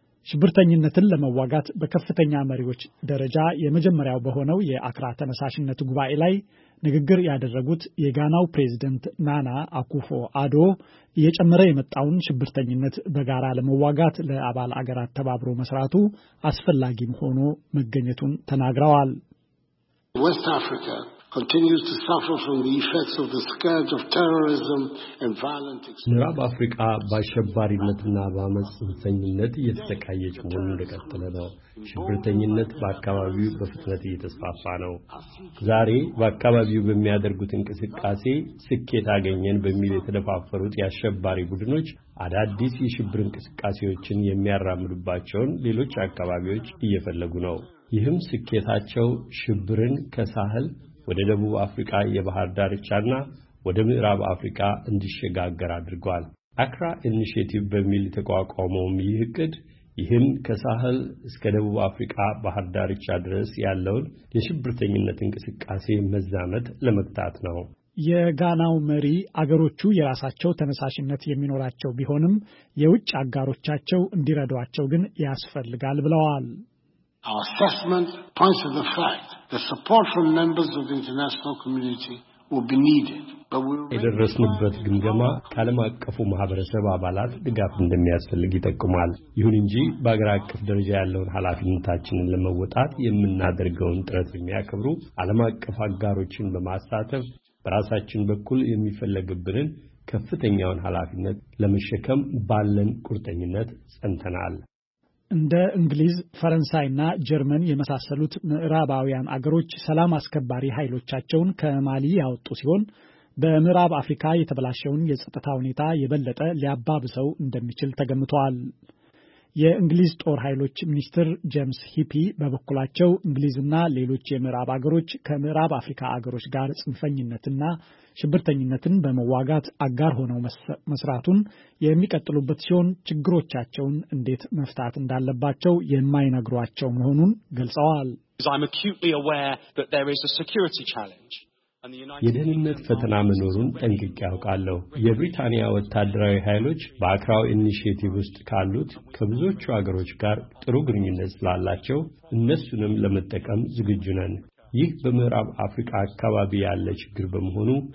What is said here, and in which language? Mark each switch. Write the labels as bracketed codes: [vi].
[am] ሽብርተኝነትን ለመዋጋት በከፍተኛ መሪዎች ደረጃ የመጀመሪያው በሆነው የአክራ ተነሳሽነት ጉባኤ ላይ ንግግር ያደረጉት የጋናው ፕሬዝዳንት ናና አኩፎ አዶ እየጨመረ የመጣውን ሽብርተኝነት በጋራ ለመዋጋት ለአባል አገራት ተባብሮ መስራቱ አስፈላጊ ሆኖ መገኘቱን ተናግረዋል። [en] West Africa continues to suffer from the effects of the scourge of terrorism and violent extremism. [am] ምዕራብ አፍሪካ በሽብርተኝነትና በአመጽኝነት እየተሰቃየች መሆኑን እንደቀጠለ ነው። ሽብርተኝነት በአካባቢው በፍጥነት እየተስፋፋ ነው። ዛሬ በአካባቢው በሚያደርጉት እንቅስቃሴ ስኬት አገኘን በሚል የተደፋፈሩት የአሸባሪ ቡድኖች አዳዲስ የሽብር እንቅስቃሴዎችን የሚያራምዱባቸውን ሌሎች አካባቢዎች እየፈለጉ ነው። ይህም ስኬታቸው ሽብርን ከሳህል ወደ ደቡብ አፍሪካ የባህር ዳርቻና ወደ ምዕራብ አፍሪካ እንዲሸጋገር አድርጓል። አክራ ኢኒሼቲቭ በሚል ተቋቋመው ይህቅድ ይህን ከሳህል እስከ ደቡብ አፍሪካ ባህር ዳርቻ ድረስ ያለውን የሽብርተኝነት እንቅስቃሴ መዛመት ለመክታት ነው። የጋናው መሪ አገሮቹ የራሳቸው ተነሳሽነት የሚኖራቸው ቢሆንም የውጭ አጋሮቻቸው እንዲረዷቸው ግን ያስፈልጋል ብለዋል። [en] Our assessment points to the fact that support from members of the international community will be needed. [am] የደረስንበት ግምገማ ከዓለም አቀፉ ማህበረሰብ አባላት ድጋፍ እንደሚያስፈልግ ይጠቁማል። ይሁን እንጂ በአገር አቀፍ ደረጃ ያለውን ኃላፊነታችንን ለመወጣት የምናደርገውን ጥረት የሚያከብሩ ዓለም አቀፍ አጋሮችን በማሳተፍ በራሳችን በኩል የሚፈለግብንን ከፍተኛውን ኃላፊነት ለመሸከም ባለን ቁርጠኝነት ጸንተናል። እንደ እንግሊዝ፣ ፈረንሳይና ጀርመን የመሳሰሉት ምዕራባውያን አገሮች ሰላም አስከባሪ ኃይሎቻቸውን ከማሊ ያወጡ ሲሆን በምዕራብ አፍሪካ የተበላሸውን የጸጥታ ሁኔታ የበለጠ ሊያባብሰው እንደሚችል ተገምቷል። የእንግሊዝ ጦር ኃይሎች ሚኒስትር ጄምስ ሂፒ በበኩላቸው እንግሊዝና ሌሎች የምዕራብ አገሮች ከምዕራብ አፍሪካ አገሮች ጋር ጽንፈኝነትና ሽብርተኝነትን በመዋጋት አጋር ሆነው መስራቱን የሚቀጥሉበት ሲሆን ችግሮቻቸውን እንዴት መፍታት እንዳለባቸው የማይነግሯቸው መሆኑን ገልጸዋል። [en] I'm acutely aware that there is a security challenge. [am] የደህንነት ፈተና መኖሩን ጠንቅቄ አውቃለሁ። የብሪታንያ ወታደራዊ ኃይሎች በአክራው ኢኒሼቲቭ ውስጥ ካሉት ከብዙዎቹ አገሮች ጋር ጥሩ ግንኙነት ስላላቸው እነሱንም ለመጠቀም ዝግጁ ነን። ይህ በምዕራብ አፍሪካ አካባቢ ያለ ችግር በመሆኑ